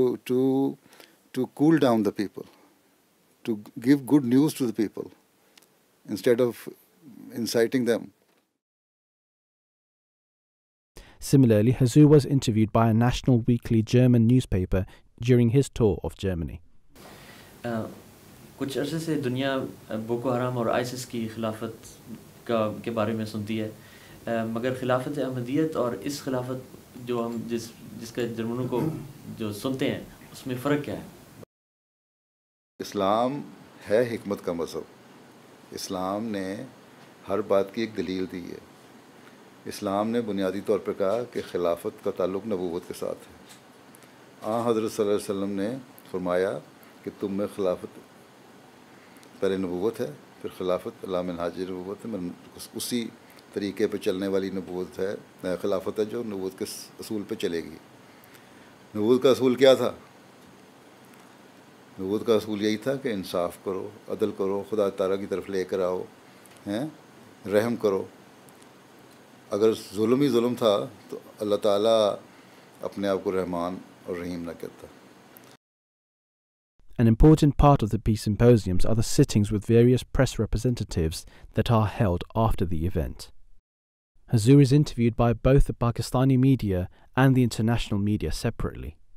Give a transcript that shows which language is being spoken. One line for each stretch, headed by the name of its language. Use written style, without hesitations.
English: to cool down the people, to give good news to the people instead of inciting them. Similarly, Hazu was interviewed by a national weekly German newspaper during his tour of Germany.
Urdu: Kuch arse se duniya Boko Haram aur ISIS ki khilafat کے بارے میں سنتی ہے, مگر خلافت احمدیت اور اس خلافت جو ہم جس کے جرمنوں کو جو سنتے ہیں اس میں فرق کیا ہے؟ اسلام ہے حکمت کا مذہب. اسلام نے ہر بات کی ایک دلیل دی ہے. اسلام نے بنیادی طور پر کہا کہ خلافت کا تعلق نبوت کے ساتھ ہے. آ حضرت صلی اللہ علیہ وسلم نے فرمایا کہ تم میں خلافت پہلے نبوت ہے, پھر خلافت اللہ منہاج نبوت ہے, اسی طریقے پہ چلنے والی نبوت ہے, خلافت ہے جو نبوت کے اصول پہ چلے گی. نبوت کا اصول کیا تھا؟ نبوت کا اصول یہی تھا کہ انصاف کرو, عدل کرو, خدا تعالیٰ کی طرف لے کر آؤ, ہیں رحم کرو. اگر ظلم ہی ظلم تھا تو اللہ تعالیٰ اپنے آپ کو رحمان اور رحیم نہ کہتا.
English: An important part of the peace symposiums are the sittings with various press representatives that are held after the event. Hazur is interviewed by both the Pakistani media and the international media separately.